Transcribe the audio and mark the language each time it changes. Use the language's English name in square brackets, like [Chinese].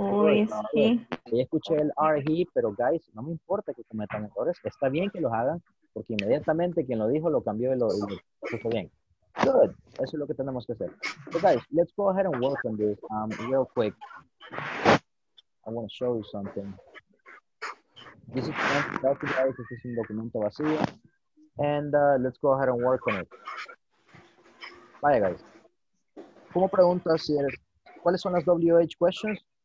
[Spanish] Ya escuché el are he, pero guys, no me importa que cometan errores. Está bien que los hagan, porque inmediatamente quien lo dijo lo cambió y lo puso bien. Good. Eso es lo que tenemos que hacer. [English] So guys, let's go ahead and work on this real quick. I want to show you something. This is [Spanish] un documento vacío. [English] And let's go ahead and work on it. Bye, guys. [Spanish] ¿Cómo preguntas si eres? ¿Cuáles son las WH questions?